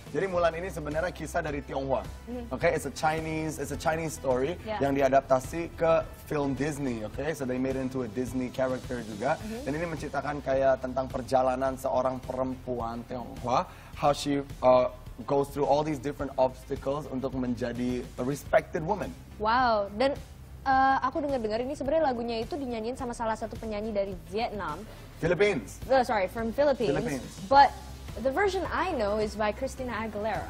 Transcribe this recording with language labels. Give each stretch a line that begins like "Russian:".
Indonesian: Jadi Mulan ini sebenarnya kisah dari Tionghoa.
English: Okay, it's a Chinese story
Indonesian: yang diadaptasi ke film Disney.
English: Okay, so they made it into a Disney character juga.
Indonesian: Dan ini menceritakan kayak tentang perjalanan seorang perempuan Tionghoa.
English: How she goes through all these different obstacles
Indonesian: untuk menjadi
English: a respected woman.
Indonesian: Wow, dan aku dengar-dengar ini sebenarnya lagunya itu dinyanyiin sama salah satu penyanyi dari Vietnam.
English: Philippines. Oh, sorry, from Philippines. Philippines. But the version I know is by Christina Aguilera.